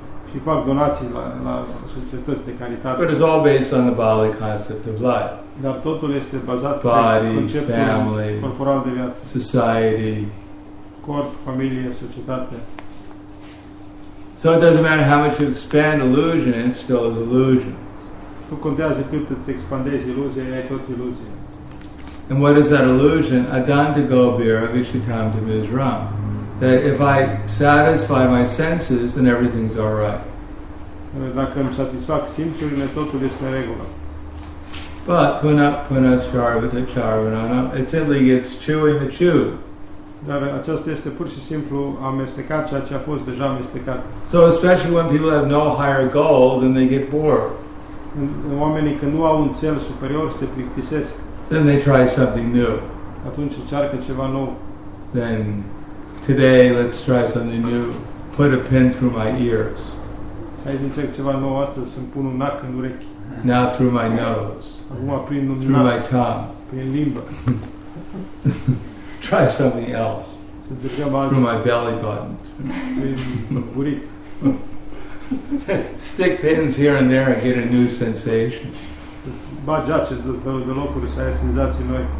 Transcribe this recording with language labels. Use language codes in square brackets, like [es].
[ro] Și fac donații la societăți de caritate. [en] But it's all based on the Bali concept of life. [ro] Dar totul este bazat [en] body, [ro] pe conceptul [en] family, [ro] corporal de viață. [en] Society. [ro] Corp, familie, societate. [en] So it doesn't matter how much you expand illusion, it still is illusion. [ro] Nu contează cât îți expandezi iluzia, e tot iluzie. [en] And what is that illusion? [sa] Adanta Gobhira Vishitam Dimizram. [en] That if I satisfy my senses, then everything's all right. [ro] Dacă îmi satisfac simțurile, totul este în regulă. [en] But [sa] puna puna charvata charvanana, [en] it simply gets chewing the chew. [ro] Dar aceasta este pur și simplu amestecat ceea ce a fost deja amestecat. [en] So especially when people have no higher goal, then they get bored. [ro] Oamenii când nu au un țel superior se plictisesc. [en] Then they try something new. [ro] Atunci încearcă ceva nou. [en] Then today, let's try something new. Put a pin through my ears. [ro] Hai să încerc ceva nou astăzi, să-mi pun un nac în urechi. [en] Now through my nose. [ro] Acum prin nas. [en] Through my tongue. [ro] Prin limbă. [en] Try something else. [ro] Să încercăm altceva. [en] Through my belly button. [ro] Prin buric. [en] Stick pins here and there and get a new sensation. [ro] Bagi ace de locuri să ai senzații noi.